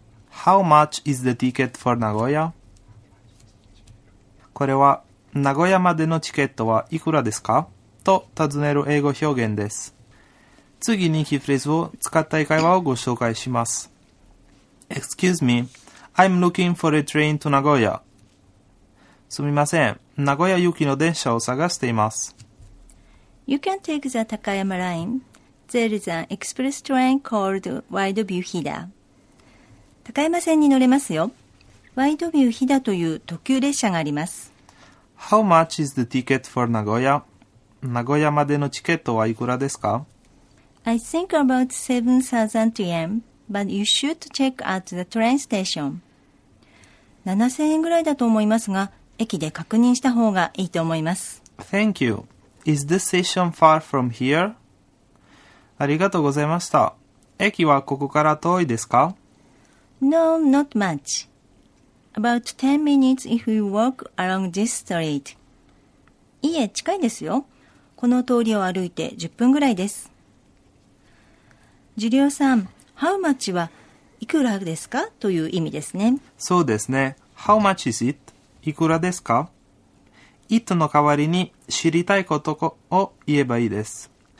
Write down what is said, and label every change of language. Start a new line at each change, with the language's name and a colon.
English: How much is the ticket for Nagoya?
Japanese: これは、名古屋までのチケットはいくらですか? と尋ねる英語表現です。次にキーフレーズを使った会話をご紹介します。
English: Excuse me, I'm looking for a train to Nagoya.
Japanese: すみません、名古屋行きの電車を探しています。
English: You can take the 高山 line. There is an express train called Wide View Hida.
Japanese: 高山線に乗れますよ。Wide View Hida という特急列車があります。
English: How much is the ticket for Nagoya?
Japanese: 名古屋までのチケットはいくらですか?
English: I think about 7,000 yen, but you should check at the train station.
Japanese: 7,000 円ぐらいだと思いますが、駅で確認した方がいいと思います。
English: Thank you. Is this station far from here?
Japanese: ありがとうございました。駅はここから遠いですか?
English: No, not much. About 10 minutes if you walk along this street.
Japanese: いいえ、近いですよ。この通りを歩いて10分ぐらいです。ジュリオさん、How much はいくらですか? という意味ですね。そうですね。
English: How much is it?
Japanese: いくらですか? It の代わりに知りたいことを言えばいいです。